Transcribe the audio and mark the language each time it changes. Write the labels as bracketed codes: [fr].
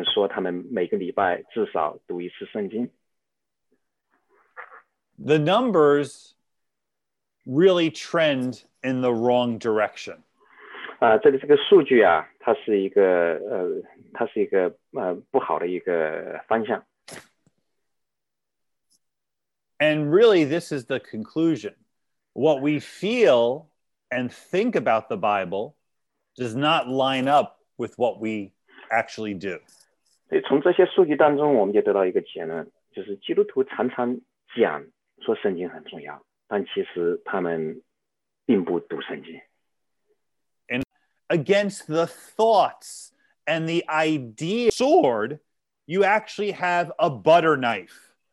[zh] 他们说他们每个礼拜至少读一次圣经。 [en] The numbers really trend in the wrong direction. [zh] 这个数据啊，它是一个不好的一个方向。 [en] And really, this is the conclusion. What we feel and think about the Bible does not line up with what we actually do. [zh] 从这些数据当中，我们也得到一个结论，就是基督徒常常讲说圣经很重要，但其实他们并不读圣经。 [en] And against the thoughts and the idea sword, you actually have a butter knife.